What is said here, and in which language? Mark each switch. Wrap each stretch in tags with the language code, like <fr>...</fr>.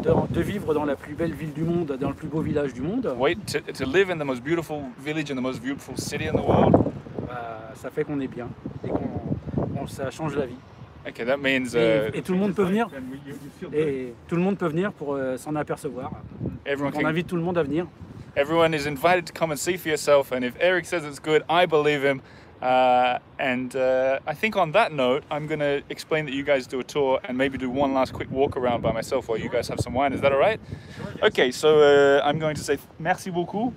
<fr>De vivre dans la plus belle ville du monde, dans le plus beau village du monde.</fr> <en>Oui, to live in the most beautiful village and the most beautiful city in the world.</en> <fr>Ça fait qu'on est bien et qu'on ça change la vie.</fr> <en>Okay, that means.</en> <fr>Et tout le monde peut venir. Et tout le monde peut venir pour s'en apercevoir.</fr> <en>Everyone</en> <fr>on invite tout le monde à venir.</fr> <en>Everyone is invited to come and see for yourself. And if Eric says it's good, I believe him. I think on that note, I'm going to explain that you guys do a tour and maybe do one last quick walk around by myself while you guys have some wine. Is that all right? Sure, yes. Okay, so I'm going to say</en> <fr>merci beaucoup.</fr>